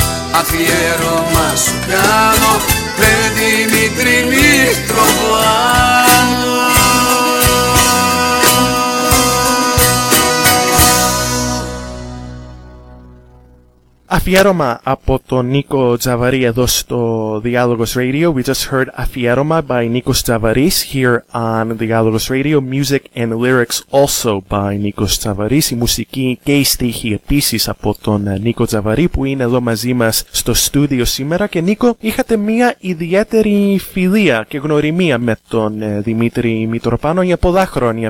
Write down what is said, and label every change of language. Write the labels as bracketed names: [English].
[Greek] Αφιέρωμα σου κάνω, ρε Δημήτρη Μητροπάνο. αφιέρωμα από τον Νίκο Τζαβαρή εδώ στο Διάλογος Radio. [English] We just heard αφιέρωμα by Νίκος Τζαβαρής here on Διάλογος Radio. Music and lyrics also by [Greek] Νίκος Τζαβαρής. Η μουσική και η στίχη επίσης από τον Νίκο Τζαβαρή που είναι εδώ μαζί μας στο στούδιο σήμερα. Και Νίκο, είχατε μια ιδιαίτερη φιλία και γνωριμία με τον Δημήτρη Μητροπάνο για πολλά χρόνια.